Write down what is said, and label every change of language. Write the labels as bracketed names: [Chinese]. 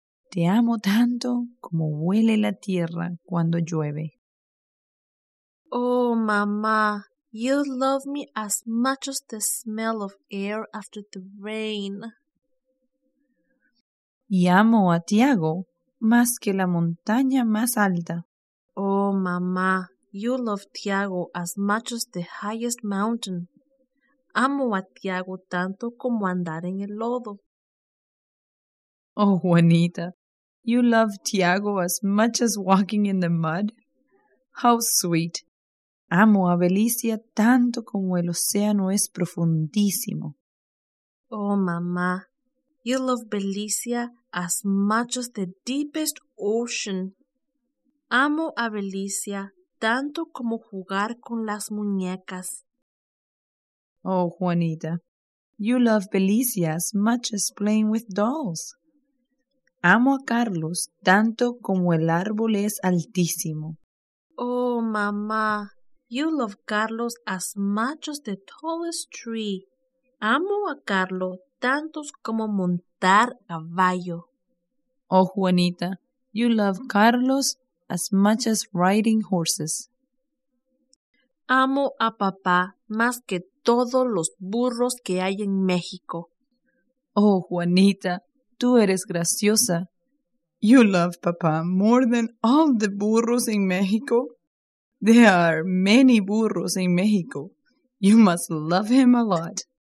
[Spanish] Te amo tanto como huele la tierra cuando llueve. [English] Oh, mamá, you love me as much as the smell of air after the rain. [Spanish] Y amo a Tiago más que la montaña más alta. [English] Oh, mamá, you love Tiago as much as the highest mountain. [Spanish] Amo a Tiago tanto como andar en el lodo. [English] Oh, Juanita, you love Tiago as much as walking in the mud. How sweet. [Spanish] Amo a Belicia tanto como el océano es profundísimo. [English] Oh, mamá, you love Belicia as much as the deepest ocean. [Spanish] Amo a Belicia tanto como jugar con las muñecas. [English] Oh, Juanita, you love Belicia as much as playing with dolls. [Spanish] Amo a Carlos tanto como el árbol es altísimo. [English] Oh, mamá, you love Carlos as much as the tallest tree. [Spanish] Amo a Carlos tanto como montar caballo. [English] Oh, Juanita, you love Carlos as much as riding horses. [Spanish] Amo a papá más que todos los burros que hay en México. [English] Oh, Juanita, [Spanish] tú eres graciosa. [English] You love papá more than all the burros in Mexico. There are many burros in Mexico. You must love him a lot.